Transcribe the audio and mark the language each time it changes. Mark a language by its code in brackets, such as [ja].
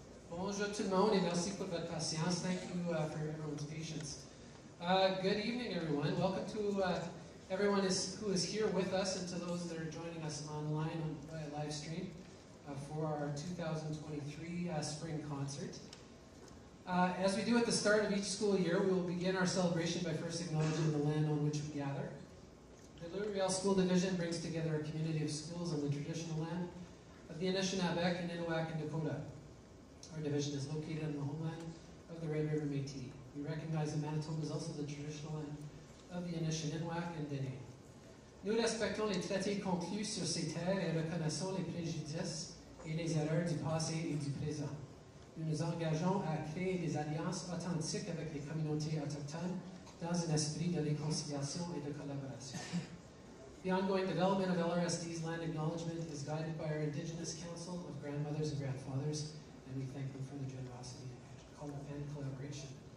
[fr] Bonjour tout le monde et merci pour votre patience. [en] Thank you for everyone's patience. Good evening, everyone. Welcome to everyone who is here with us and to those that are joining us online on a live stream for our 2023 spring concert. As we do at the start of each school year, we will begin our celebration by first acknowledging the land on which we gather. The Riel School Division brings together a community of schools on the traditional land of the Anishinaabeg, Ninuak, and Dakota. Our division is located on the homeland of the Red River Métis. We recognize that Manitoba is also the traditional land of the Anishinaabeg and Dene. [fr] Nous respectons les traités conclus sur ces terres et reconnaissons les préjudices et les erreurs du passé et du présent. Nous nous engageons à créer des alliances authentiques avec les communautés autochtones dans un esprit de réconciliation et de collaboration. [en] The ongoing development of LRSD's land acknowledgement is guided by our Indigenous Council of Grandmothers and Grandfathers, and we thank them for the generosity and collaboration.